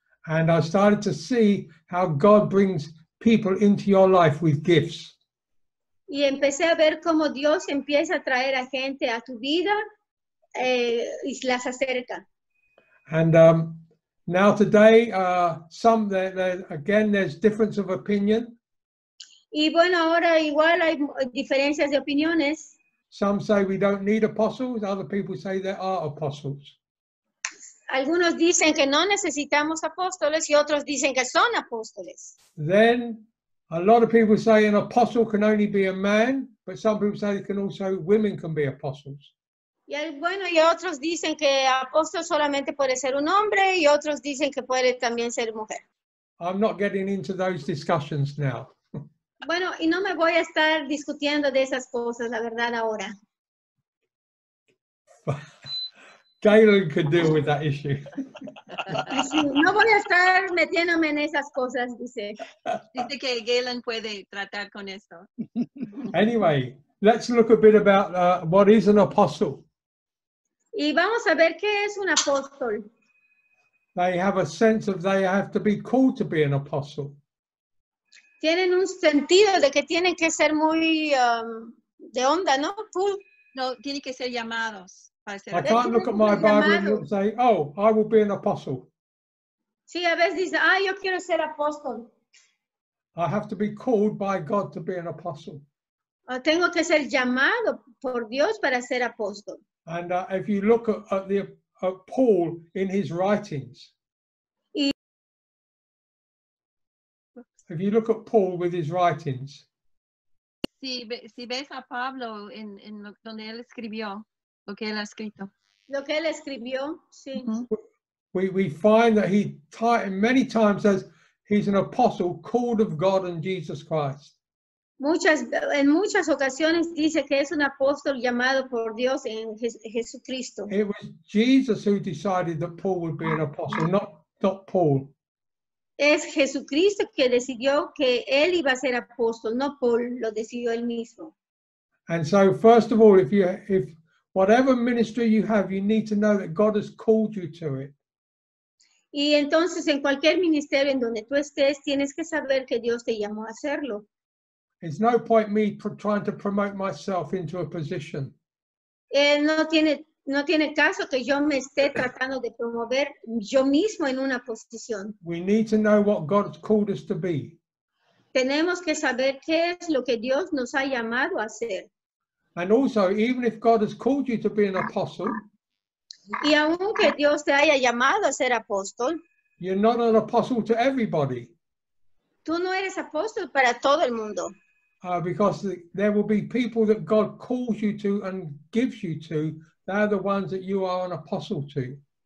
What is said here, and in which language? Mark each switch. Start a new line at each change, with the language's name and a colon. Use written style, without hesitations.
English: And I started to see how God brings people into your life with gifts.
Spanish: Y empecé a ver cómo Dios empieza a traer a gente a tu vida y las acerca.
English: And now today, there's difference of opinion.
Spanish: Y bueno, ahora igual hay diferencias de opiniones.
English: Some say we don't need apostles. Other people say there are apostles.
Spanish: Algunos dicen que no necesitamos apóstoles y otros dicen que son apóstoles.
English: Then, a lot of people say an apostle can only be a man, but some people say it can also women can be apostles.
Spanish: Y bueno, y otros dicen que apóstol solamente puede ser un hombre y otros dicen que puede también ser mujer.
English: I'm not getting into those discussions now.
Spanish: Bueno, y no me voy a estar discutiendo de esas cosas, la verdad, ahora.
English: Galen could deal with that issue.
Spanish: Sí, no voy a estar metiéndome en esas cosas, dice. Dice que Galen puede tratar con esto.
English: Anyway, let's look a bit about what is an apostle.
Spanish: Y vamos a ver qué es un apóstol.
English: They have a sense of they have to be called to be an apostle.
Spanish: Tienen un sentido de que tienen que ser muy de onda, ¿no?
English: Cool.
Spanish: No, tienen que ser llamados.
English: I can't look at my Bible and say, oh, I will be an apostle.
Spanish: Sí, a veces dice, ah, yo quiero ser apóstol.
English: I have to be called by God to be an apostle.
Spanish: Tengo que ser llamado por Dios para ser apóstol.
English: And if you look at Paul in his writings, if you look at Paul with his writings,
Spanish: si ves a Pablo en donde él escribió, lo que él ha escrito. Lo que él escribió, sí. Mm-hmm.
English: We find that he many times says he's an apostle called of God and Jesus Christ.
Spanish: En muchas ocasiones dice que es un apóstol llamado por Dios en Jesucristo.
English: It was Jesus who decided that Paul would be an apostle, not Paul.
Spanish: Es Jesucristo que decidió que él iba a ser apóstol, no Paul, lo decidió él mismo.
English: And so, first of all, if whatever ministry you have, you need to know that God has called you to it.
Spanish: Y entonces, en cualquier ministerio en donde tú estés, tienes que saber que Dios te llamó a hacerlo.
English: It's no point me trying to promote myself into a position.
Spanish: No tiene caso que yo me esté tratando de promover yo mismo en una posición.
English: We need to know what God's called us to be.
Spanish: Tenemos que saber qué es lo que Dios nos ha llamado a hacer.
English: And also, even if God has called you to be an apostle,
Spanish: y aunque Dios te haya llamado a ser apóstol,
English: you're not an apostle to everybody.
Spanish: Tú no eres apóstol para todo el mundo.
English: Because there will be people that God calls you to and gives you to. They are the ones that you are an apostle to.